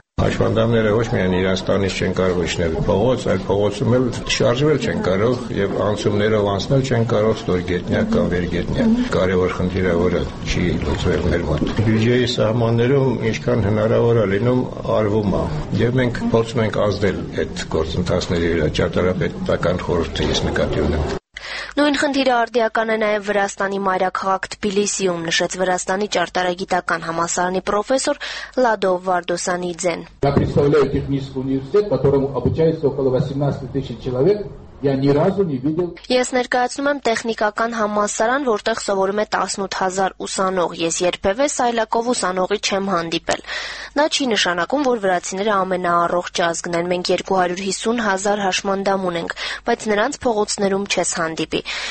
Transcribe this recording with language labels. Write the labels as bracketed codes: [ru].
[hy] Հաշվանդամները ոչ միայն իրենց տանից չեն կարող իջնել փողոց, այլ փողոցում էլ շարժվել չեն կարող եւ անցումներով անցնել չեն կարող ստորգետնյա կամ վերգետնյա։ Կարևոր խնդիրը, որը չի լուծվել մեր մոտ։ Բյուջեի սահմաններում ինչքան հնարավոր է լինում արվում է, եւ մենք փորձում ենք ազդել այդ գործընթացների վրա ճարտարապետական խորհրդի ես նկատի ունեմ։ Նույն խնդիրը արդիական է նաև Վրաստանի մայրաքաղաք Թբիլիսիում, նշեց Վրաստանի ճարտարագիտական համալսարանի պրոֆեսոր Լադո Վարդոսանիձեն։ [ru] Я представляю технический университет, которому обучается около 18000 человек. [hy] Ես ներկայացնում եմ տեխնիկական համալսարան, որտեղ սովորում է 18000 ուսանող։ Ես երբևէ սայլակով ուսանողի չեմ հանդիպել։ Դա չի նշանակում, որ վրացիները ամենաառողջ ազգն են։ Մենք 250000 հաշմանդամ ունենք, բայց նրանց փողոցներում չես հանդիպի։